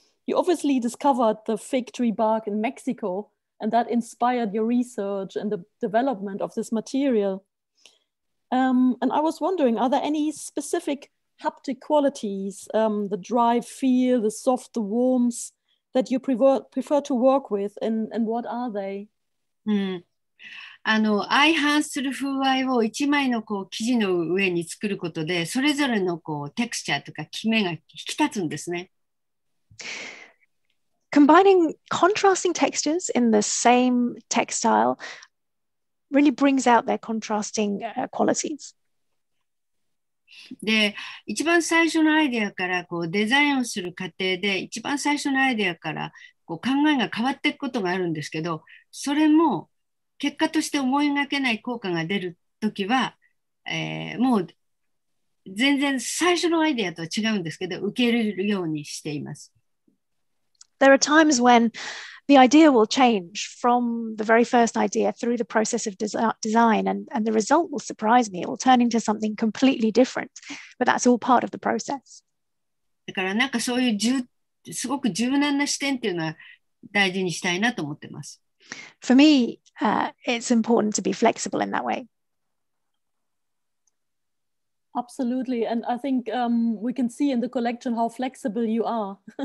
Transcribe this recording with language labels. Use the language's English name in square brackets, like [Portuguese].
[English] You obviously discovered the fig tree bark in Mexico, and that inspired your research and the development of this material. And I was wondering, are there any specific haptic qualities, the dry feel, the soft, the warmth, that you prefer to work with, and what are they? [Japanese] あの、相反する風合いを一枚のこう生地の上に作ることで、それぞれのこうテクスチャーとかキメが引き立つんですね。 [English] Combining contrasting textures in the same textile really brings out their contrasting qualities. [Japanese] で、一番最初のアイデアからこうデザインをする過程で、一番最初のアイデアからこう考えが変わっていくことがあるんですけど、それも結果として思いがけない効果が出るときは、もう全然最初のアイデアとは違うんですけど、受け入れるようにしています。 [English] There are times when the idea will change from the very first idea through the process of design, and the result will surprise me. It will turn into something completely different, but that's all part of the process. [Japanese] だからなんかそういうすごく柔軟な視点っていうのは大事にしたいなと思ってます。 [English] For me, it's important to be flexible in that way. Absolutely, and I think we can see in the collection how flexible you are.